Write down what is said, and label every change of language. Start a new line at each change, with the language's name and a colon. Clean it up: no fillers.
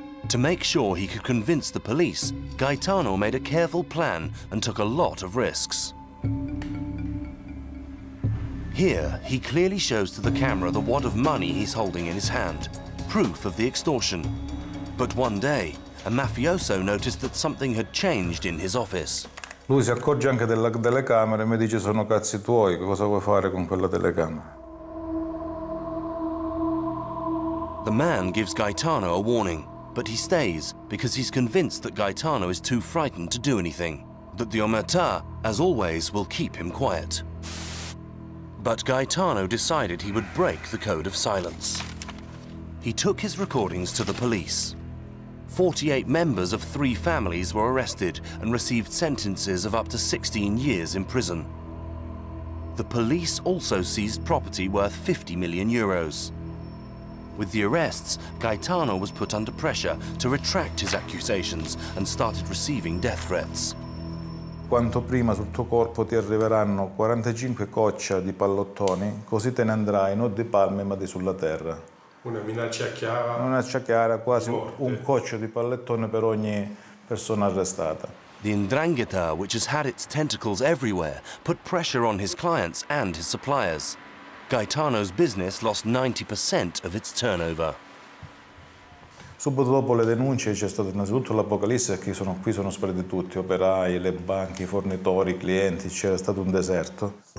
English: To make sure he could convince the police, Gaetano made a careful plan and took a lot of risks. Here, he clearly shows to the camera the wad of money he's holding in his hand, proof of the extortion. But one day, a mafioso noticed that something had changed in his office.
Italian: Lui si accorge anche della telecamera e mi dice sono cazzi tuoi, cosa vuoi fare con quella telecamera?
English: The man gives Gaetano a warning. But he stays because he's convinced that Gaetano is too frightened to do anything, that the Omerta, as always, will keep him quiet. But Gaetano decided he would break the code of silence. He took his recordings to the police. 48 members of three families were arrested and received sentences of up to 16 years in prison. The police also seized property worth 50 million euros. With the arrests, Gaetano was put under pressure to retract his accusations and started receiving death threats.
Italian: Quanto prima sul tuo corpo ti arriveranno 45 coccia di pallottoni, così te ne andrai non di palme ma di sulla terra. Una minaccia chiara. Una minaccia chiara, quasi un coccio di pallottone per ogni persona arrestata.
English: The Ndrangheta, which has had its tentacles everywhere, put pressure on his clients and his suppliers. Gaetano's business lost 90% of its turnover.
Italian: Subito dopo le denunce c'è stato innanzitutto l'apocalisse, che sono qui sono spariti tutti, operai, le banche, i fornitori, i clienti, c'era stato un deserto.